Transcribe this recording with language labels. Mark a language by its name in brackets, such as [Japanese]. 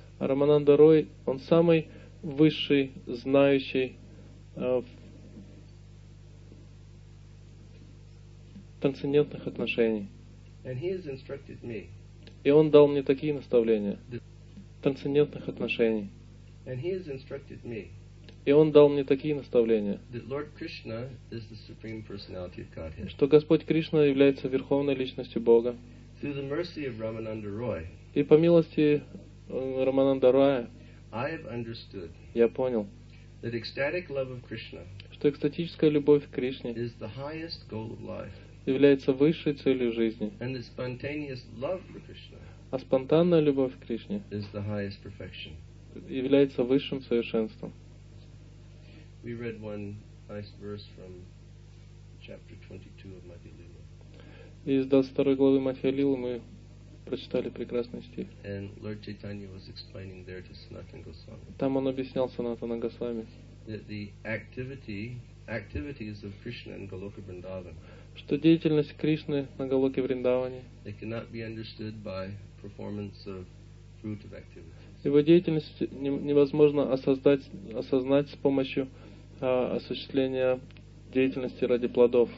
[Russian] Рамананда Рой, он самый высший знающий в трансцендентных отношениях. [English] And he has instructed me. [Russian] И он дал мне такие наставления трансцендентных отношений. [English] And he has instructed me. [Russian] И он дал мне такие наставления, [English] Lord Krishna is the Supreme Personality of Godhead. [Russian] Что Господь Кришна является Верховной Личностью Бога. [English] Through the mercy of Ramananda Roy, [Russian] и по милости Рамананда Роя [English] I have understood, [Russian] я понял, [English] that ecstatic love of Krishna, [Russian] что экстатическая любовь к Кришне [English] is the highest goal of life, [Russian] является высшей целью жизни, [English] and the spontaneous love for Krishna, [Russian] а спонтанная любовь к Кришне [English] is the highest perfection. [Russian] Является высшим совершенством. [English] We read one nice verse from chapter 22 of Madhyalila. [Russian] Из 22 главы Мадхьялилы мы прочитали прекрасный стих. [English] And Lord Chaitanya was explaining there to Sanatana Goswami. [Russian] Там он объяснял Санатана Госвами. [English] That the activities of Krishna in Goloka Vrindavan. [Russian] Что деятельность Кришны на Голоке Вриндаване. [English] It cannot be understood by performance of fruitive activities. [Russian] Его деятельность невозможно осознать с помощью осуществления деятельности ради плодов.